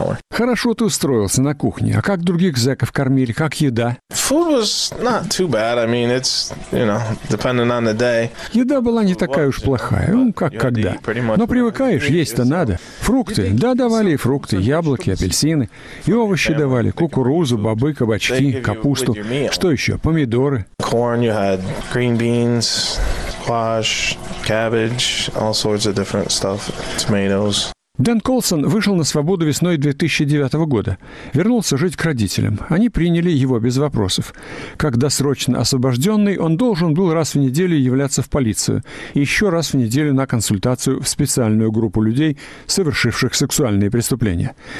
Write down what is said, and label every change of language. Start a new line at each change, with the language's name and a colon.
Russian: Хорошо, ты устроился на кухне. А как других зэков кормили? Как еда? Еда была не такая уж плохая, как когда. Но привыкаешь, есть-то надо. Фрукты. Да, давали и фрукты, яблоки, апельсины. И овощи давали. Кукурузу, бобы, кабачки, капусту. Что еще? Помидоры.
English: Corn, you had green beans, squash, cabbage, all sorts of different stuff, tomatoes.
Russian: Дэн Колсон вышел на свободу весной 2009 года. Вернулся жить к родителям. Они приняли его без вопросов. Как досрочно освобожденный, он должен был раз в неделю являться в полицию. И еще раз в неделю на консультацию в специальную группу людей, совершивших сексуальные преступления.